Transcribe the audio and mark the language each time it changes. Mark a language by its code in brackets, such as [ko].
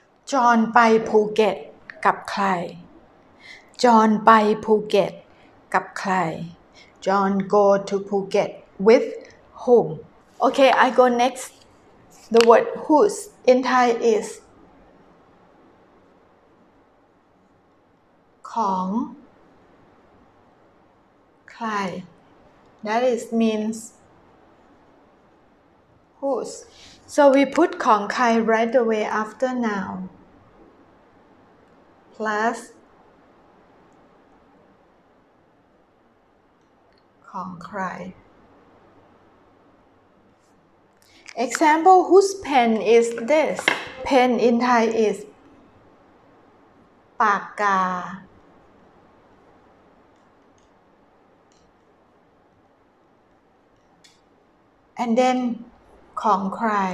[th] John ไปภูเก็ตกับใคร John ไปภูเก็ตกับใคร [en] John go to Phuket with whom? Okay, I go next. The word whose in Thai is ของใคร That is means whose. So we put ของใคร right away after noun plus ของใคร. Example whose pen is this? Pen in Thai is ปากกาAnd then, ของใคร?